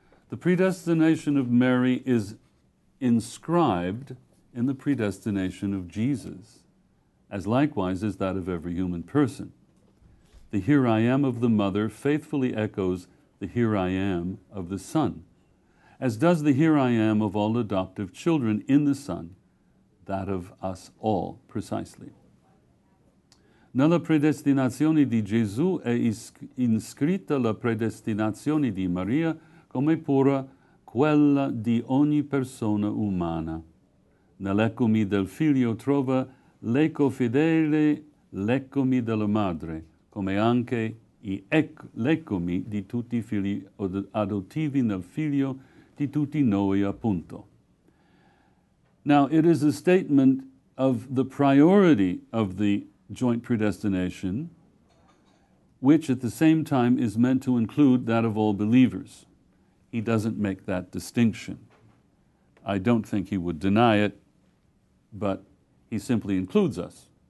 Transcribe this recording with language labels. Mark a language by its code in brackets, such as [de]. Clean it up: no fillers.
[en] The predestination of Mary is inscribed in the predestination of Jesus, as likewise is that of every human person. The "Here I am" of the Mother faithfully echoes the "Here I am" of the Son, as does the "Here I am" of all adoptive children in the Son, that of us all, precisely. [it] Nella predestinazione di Gesù è inscritta la predestinazione di Maria come pura quella di ogni persona umana. Nell'eccomi del figlio trova l'eco fedele l'eccomi della madre, come anche l'eccomi di tutti i figli adottivi nel figlio di tutti noi, appunto. [en] Now, it is a statement of the priority of the joint predestination, which at the same time is meant to include that of all believers. He doesn't make that distinction. I don't think he would deny it, but he simply includes us